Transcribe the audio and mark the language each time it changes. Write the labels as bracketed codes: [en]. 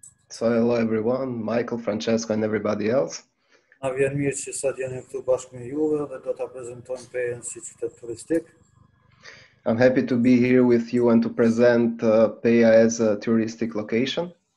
[en] So, hello everyone, Michael, Francesco and everybody else. [sq] Na vjen mirë që sot jeni këtu bashkë me juve dhe do t'a prezentojmë PEJ-n si qytet turistik. [en] I'm happy to be here with you and to present PEJ-a as a touristic location.